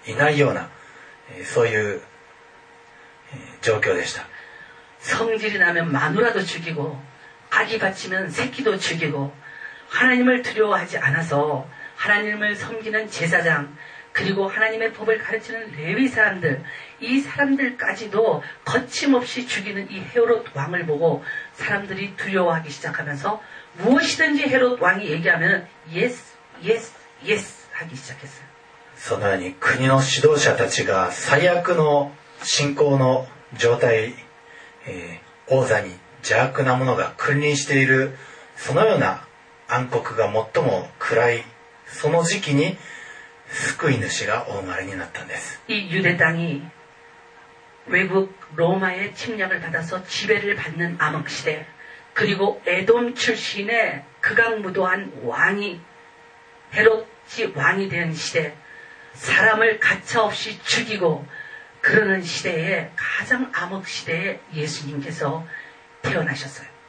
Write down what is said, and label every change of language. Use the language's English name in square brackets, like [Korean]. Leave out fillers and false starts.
[Japanese] そういうわけでこの宮殿はま彼に取り入ろうとする人たちだけが残り神様を恐れるようなそういう人たちはいないようなそういう 状況でした. [Korean] 성질이 나면 마누라도 죽이고 아기 바치면 새끼도 죽이고 하나님을 두려워하지 않아서 하나님을 섬기는 제사장 그리고 하나님의 법을 가르치는 레위 사람들 이 사람들까지도 거침없이 죽이는 이 헤롯 왕을 보고 사람들이 두려워하기 시작하면서 무엇이든지 헤롯 왕이 얘기하면 예스 예스 예스 하기 시작했어요. [Japanese] そのように国の指導者たちが最悪の 信仰の状態、王座に邪悪なものが君臨している、そのような暗黒が最も暗い、その時期に救い主がお生まれになったんです。 [Korean] 이 유대 땅이 외국 로마의 침략을 받아서 지배를 받는 암흑 시대, 그리고 에돔 출신의 극악무도한 왕이 헤롯이 왕이 된 시대, 사람을 가차 없이 죽이고 그러는 시대에 가장 암흑 시대에 예수님께서 태어나셨어요.